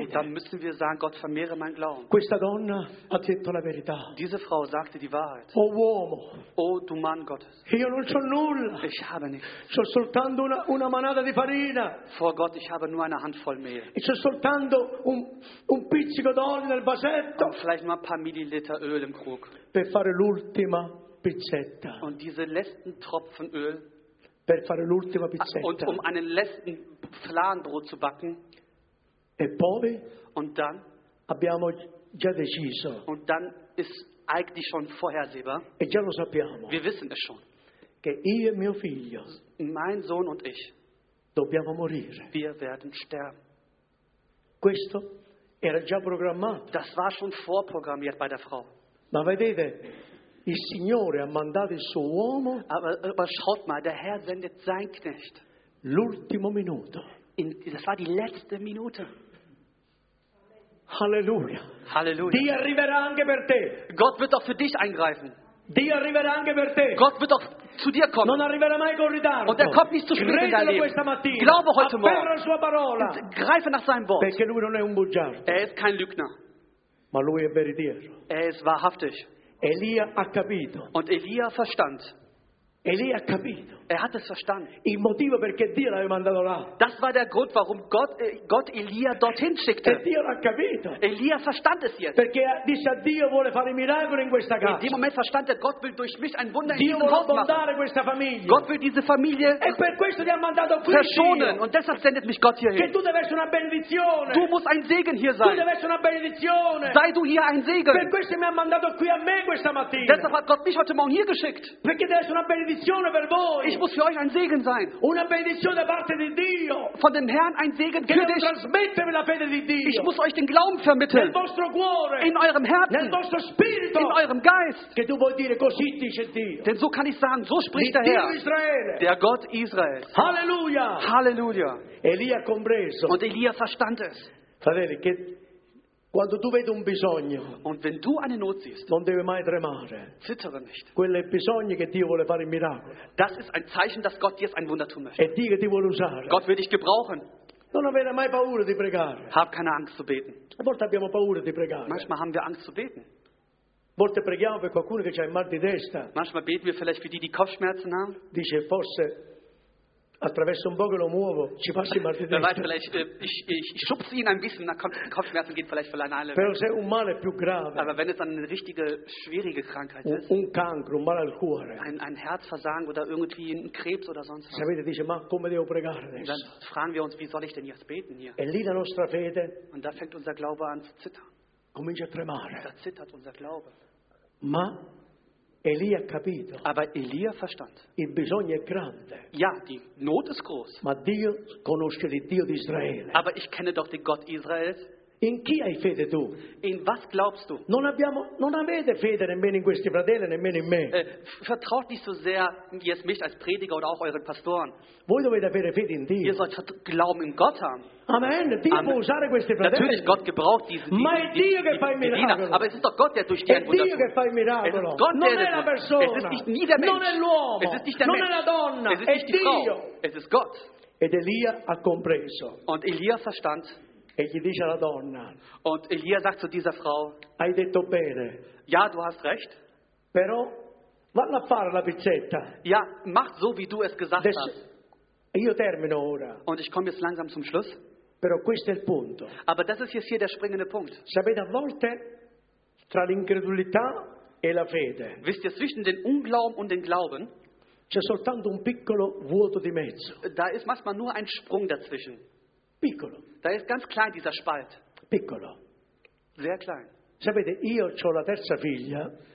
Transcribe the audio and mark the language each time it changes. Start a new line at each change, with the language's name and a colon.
German: Und dann müssen wir sagen, Gott vermehre mein Glauben.
Italian: Questa donna ha detto la verità.
German: Diese Frau sagte die Wahrheit.
Italian: O uomo.
German: O du Mann Gottes.
Italian: Io non c'ho nulla.
German: Ich habe nichts.
Italian: C'ho soltanto una manata di farina.
German: Vor Gott, ich habe nur eine Handvoll Mehl.
Italian: E c'ho soltanto un pizzico d'olio nel vasetto.
German: Und vielleicht nur ein paar Milliliter Öl im Krug.
Italian: Per fare l'ultima pizzetta.
German: Und diese letzten Tropfen Öl.
Italian: Per fare l'ultima pizzetta.
German: Und einen letzten Flanbrot zu backen.
Italian: E poi.
German: Und dann.
Italian: Abbiamo già deciso.
German: Und dann ist eigentlich schon vorhersehbar.
Italian: E già lo sappiamo.
German: Wir wissen es schon.
Italian: Che io e mio figlio,
German: mein Sohn und ich,
Italian: dobbiamo morire.
German: Wir werden sterben.
Italian: Questo era già programmato.
German: Das war schon vorprogrammiert bei der Frau.
Italian: Ma vedete, Il Signore ha mandato il suo uomo.
German: Aber schaut mal, der Herr sendet sein Knecht.
Italian: L'ultimo minuto.
German: Das war die letzte Minute. Halleluja. Halleluja.
Italian: Die arriverà anche per te.
German: Gott wird auch für dich eingreifen.
Italian: Die arriverà anche per te.
German: Gott wird auch zu dir kommen.
Italian: Non arriverà mai con ritardo.
German: Und er kommt nicht zu spät in dein Leben.
Italian: Questa mattina.
German: Glaube heute
Italian: Afferra
German: Morgen.
Italian: Sua parola.
German: Greife nach seinem Wort.
Italian: Perché lui non è un bugiardo.
German: Er ist kein Lügner.
Italian: Ma lui è veritiero.
German: Er ist wahrhaftig.
Italian: Elia ha capito.
German: Und Elia verstand.
Italian: Elia ha capito.
German: Er hat es verstanden.
Italian: Il motivo perché Dio l'aveva mandato là.
German: Das war der Grund, warum Gott Elia dorthin schickte.
Italian: E Dio l'ha capito.
German: Elia verstand es jetzt.
Italian: Perché disse, Dio vuole fare un miracolo in questa casa.
German: In dem Moment verstand er, Gott will durch mich ein Wunder
Italian: Dio
German: in diesem Haus machen.
Italian: Dio vuole questa famiglia.
German: Gott will diese Familie
Italian: e per questo ti ha mandato qui
German: verschonen. Dio. Und deshalb sendet mich Gott hierhin.
Italian: Che tu deve essere una benedizione.
German: Du musst ein Segen hier sein.
Italian: Tu deve essere una benedizione.
German: Sei du hier ein Segen.
Italian: Per questo mi ha mandato qui a me questa mattina.
German: Deshalb hat Gott mich heute Morgen hier geschickt.
Italian: Perché deve essere una benedizione per voi.
German: Ich muss für euch ein Segen sein.
Italian: Una benedizione da parte di Dio.
German: Von dem Herrn ein Segen
Italian: che
German: für dich.
Italian: Trasmettervi la fede di Dio.
German: Ich muss euch den Glauben vermitteln.
Italian: Nel vostro cuore.
German: In eurem Herzen.
Italian: Nel vostro spirito.
German: In eurem Geist.
Italian: Che tu vuoi dire, così dice Dio.
German: Denn so kann ich sagen, so spricht
Italian: Dio
German: der Herr.
Italian: Israele.
German: Der Gott Israels. Halleluja. Halleluja.
Italian: Elia compreso.
German: Und Elia verstand es.
Italian: Fratelli, che quando tu vedi un bisogno,
German: und wenn du eine Not siehst,
Italian: non deve mai tremare.
German: Zittere nicht.
Italian: Quello è il bisogno che Dio vuole fare il miracolo.
German: Das ist ein Zeichen, dass Gott jetzt ein Wunder tun möchte.
Italian: E Dio che ti vuole usare.
German: Gott will dich gebrauchen.
Italian: Non avere mai paura di pregare.
German: Hab keine Angst zu beten.
Italian: A volte abbiamo paura di pregare.
German: Manchmal haben wir Angst zu beten.
Italian: A volte preghiamo per qualcuno che c'ha il mal di testa.
German: Manchmal beten wir vielleicht für die Kopfschmerzen haben.
Italian: Dice forse attraverso un po' che lo muovo ci passi mal di testa.
German: Ich schubse ihn ein bisschen, dann kommt Kopfschmerzen, geht vielleicht von alleine.
Italian: Però se un male più grave.
German: Aber wenn es eine richtige schwierige Krankheit
Italian: un,
German: ist.
Italian: Un cancro, un male al cuore.
German: Ein Herzversagen oder irgendwie ein Krebs oder sonst was.
Italian: Sapete, dice, ma come devo pregare adesso?
German: Dann fragen wir uns, wie soll ich denn jetzt beten hier?
Italian: E lì la nostra fede.
German: Und da fängt unser Glaube an zu zittern.
Italian: Comincia a tremare.
German: Da zittert unser Glaube.
Italian: Ma Elia ha capito.
German: Aber Elia verstand.
Italian: Il bisogno è grande.
German: Ja, die Not ist groß.
Italian: Ma Dio conosce il Dio di Israele.
German: Aber ich kenne doch den Gott Israels.
Italian: In chi hai fede tu?
German: In was glaubst du?
Italian: Non avete fede nemmeno in questi fratelli, nemmeno in me.
German: Vertraut nicht so sehr jetzt mich als Prediger oder auch euren Pastoren.
Italian: Voi dovete avere fede in Dio.
German: Ihr sollt Glauben in Gott haben. Amen.
Italian: Dio può usare questi fratelli.
German: Natürlich, Gott gebraucht diese Diener.
Italian: Ma è Dio che fa il miracolo.
German: Aber es ist doch Gott, der durch die Wunder tut.
Italian: È Dio che fa il miracolo. Non è la persona.
German: Es ist nicht nie der Mensch.
Italian: Non è l'uomo.
German: Es ist nicht der Mensch.
Italian: Non è la donna.
German: Es ist nicht die Frau. Es ist Gott.
Italian: Ed Elia ha compreso.
German: Und Elia verstand.
Italian: E gli dice alla donna.
German: Und Elia sagt zu dieser Frau.
Italian: Hai detto bene.
German: Ja, du hast recht.
Italian: Però, valla a fare la pizzetta.
German: Ja, mach so wie du es gesagt hast.
Italian: Io termino ora.
German: Und ich komme jetzt langsam zum Schluss.
Italian: Però questo è il punto.
German: Aber das ist jetzt hier der springende Punkt.
Italian: Sapete, a volte tra l'incredulità e la fede.
German: Wisst ihr, zwischen dem Unglauben und dem Glauben.
Italian: C'è soltanto un piccolo vuoto di mezzo.
German: Da ist manchmal nur ein Sprung dazwischen.
Italian: Piccolo.
German: Da ist ganz klein dieser Spalt.
Italian: Piccolo.
German: Sehr klein.
Italian: Sapete, io c'ho la terza figlia.